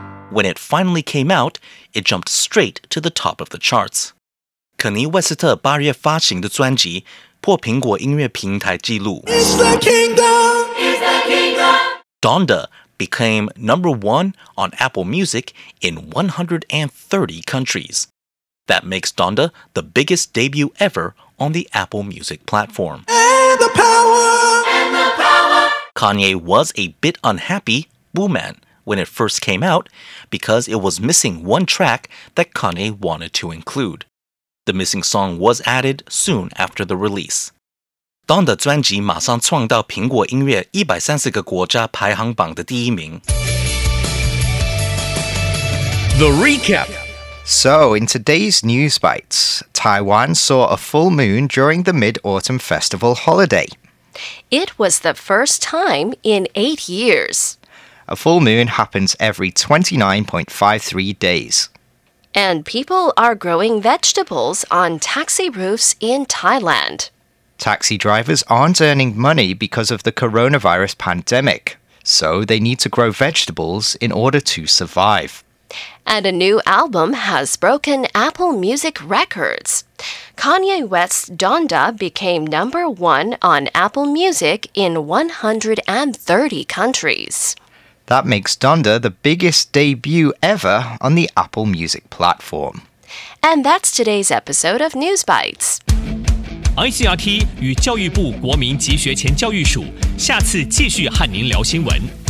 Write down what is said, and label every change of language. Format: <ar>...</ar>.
<en>When it finally came out, it jumped straight to the top of the charts.</en> <zh>肯尼·威斯特八月发行的专辑破苹果音乐平台纪录。</zh> <en>It's the kingdom. It's the kingdom. Donda became number one on Apple Music in 130 countries. That makes Donda the biggest debut ever on the Apple Music platform. And the power. And the power. Kanye was a bit unhappy, Boo Man. When it first came out, because it was missing one track that Kanye wanted to include. The missing song was added soon after the release.</en> <zh>Donda 专辑马上创到苹果音乐130个国家排行榜的第一名。</zh> <en>The recap. So, in today's news bites, Taiwan saw a full moon during the Mid-Autumn Festival holiday. It was the first time in 8 years. A full moon happens every 29.53 days. And people are growing vegetables on taxi roofs in Thailand. Taxi drivers aren't earning money because of the coronavirus pandemic, so they need to grow vegetables in order to survive. And a new album has broken Apple Music records. Kanye West's Donda became number one on Apple Music in 130 countries. That makes Donda the biggest debut ever on the Apple Music platform. And that's today's episode of News Bites.</en> <zh>ICRT 与教育部国民及学前教育署下次继续和您聊新闻。</zh>